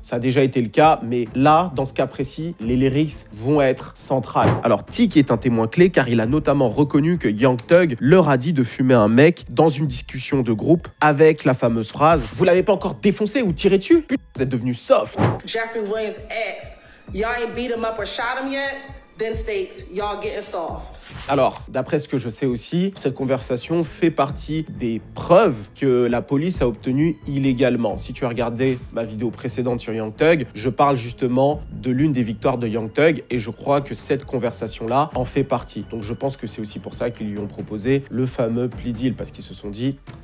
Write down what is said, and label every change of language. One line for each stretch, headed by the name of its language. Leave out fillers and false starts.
French: Ça a déjà été le cas, mais là, dans ce cas précis, les lyrics vont être centrales. Alors, Tick est un témoin clé, car il a notamment reconnu que Young Thug leur a dit de fumer un mec dans une discussion de groupe avec la fameuse phrase « Vous l'avez pas encore défoncé ou tiré dessus ? Putain, vous êtes devenu soft !»
English: Jeffrey Williams asked. Y'all ain't beat him up or shot him yet? Then states, y'all getting soft.
French: Alors, d'après ce que je sais aussi, cette conversation fait partie des preuves que la police a obtenues illégalement. Si tu as regardé ma vidéo précédente sur Young Thug, je parle justement de l'une des victoires de Young Thug et je crois que cette conversation-là en fait partie. Donc je pense que c'est aussi pour ça qu'ils lui ont proposé le fameux plea deal parce qu'ils se sont dit...